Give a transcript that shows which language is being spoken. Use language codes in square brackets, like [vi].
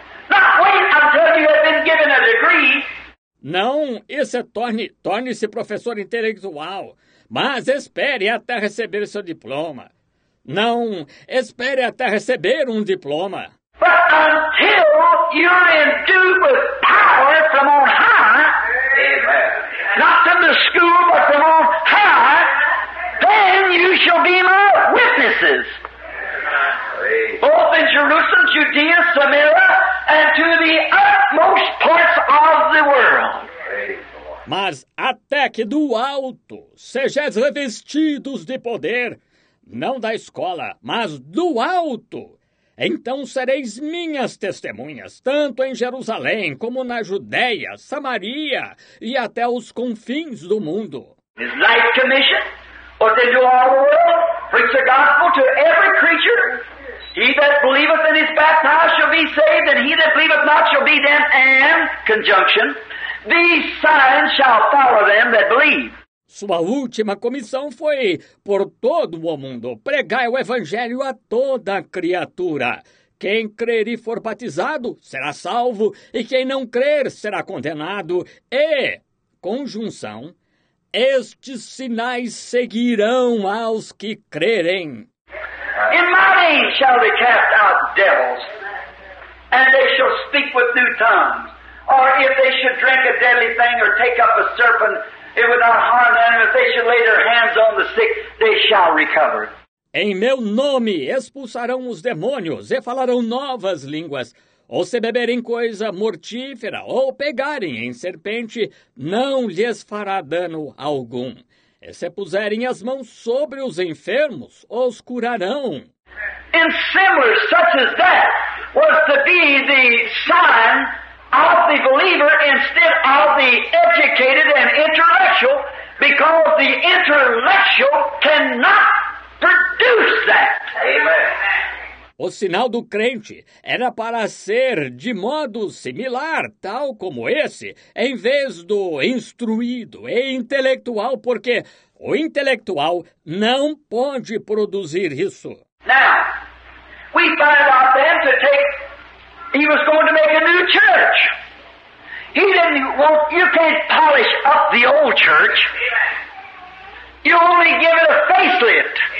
[en] Not wait until you have been given a degree. [pt] Não, isso é torne-se professor intelectual. Mas espere até receber seu diploma. Não, espere até receber um diploma. [en] But until you're endued with power from on high. Amen. Not from the school, but from on high. Then you shall be my witnesses. Both in Jerusalem, Judea, Samaria, and to the utmost parts of the world. [pt] Mas até que do alto sejais revestidos de poder, não da escola, mas do alto, então sereis minhas testemunhas, tanto em Jerusalém, como na Judeia, Samaria e até os confins do mundo. [en] Is life commission? Or to do all the world? Preach the gospel to every creature? He that believeth and is baptized shall be saved, and he that believeth not shall be damned. And, conjunction, these signs shall follow them that believe. [pt] Sua última comissão foi, por todo o mundo, pregai o evangelho a toda criatura. Quem crer e for batizado será salvo, e quem não crer será condenado. E, conjunção, estes sinais seguirão aos que crerem. [en] In my name shall they cast out devils, and they shall speak with new tongues. Or if they should drink a deadly thing, or take up a serpent, it would not harm them. And if they should lay their hands on the sick, they shall recover. [pt] Em meu nome expulsarão os demônios, e falarão novas línguas. Ou se beberem coisa mortífera, ou pegarem em serpente, não lhes fará dano algum. E se puserem as mãos sobre os enfermos, os curarão. [en] In similar such as that was to be the sign of the believer instead of the educated and intellectual, because the intellectual cannot produce that. Amen. [pt] O sinal do crente era para ser de modo similar, tal como esse, em vez do instruído e intelectual, porque o intelectual não pode produzir isso. [en] Now, we find out then to take, he was going to make a new church. He didn't, well, you can't polish up the old church. You only give it a facelift.